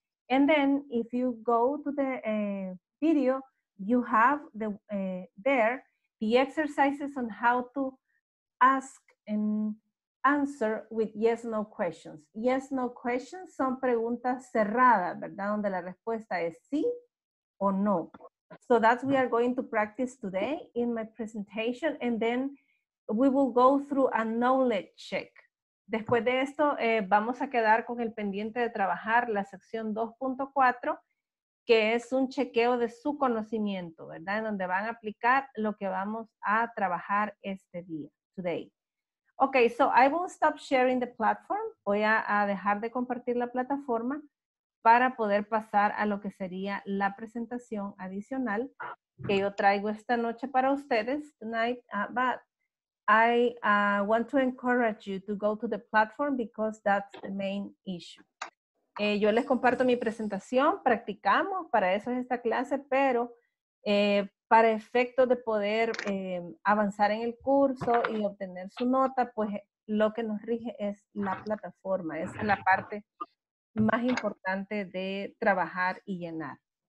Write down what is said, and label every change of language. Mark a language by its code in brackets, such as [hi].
[en] And then, if you go to the video, you have the exercises on how to ask and answer with yes, no questions. Yes, no questions [es] son preguntas cerradas, ¿verdad? Donde la respuesta es sí o no. [en] So that's what we are going to practice today in my presentation. And then we will go through a knowledge check. [es] Después de esto, vamos a quedar con el pendiente de trabajar la sección 2.4, que es un chequeo de su conocimiento, ¿verdad? En donde van a aplicar lo que vamos a trabajar este día, today. [en] Okay, so I will stop sharing the platform. [es] Voy a dejar de compartir la plataforma para poder pasar a lo que sería la presentación adicional que yo traigo esta noche para ustedes tonight. [en] But I want to encourage you to go to the platform because that's the main issue. [es] Yo les comparto mi presentación, practicamos, para eso es esta clase, pero para efectos de poder avanzar en el curso y obtener su nota, pues lo que nos rige es la plataforma. Es la parte más importante de trabajar y llenar.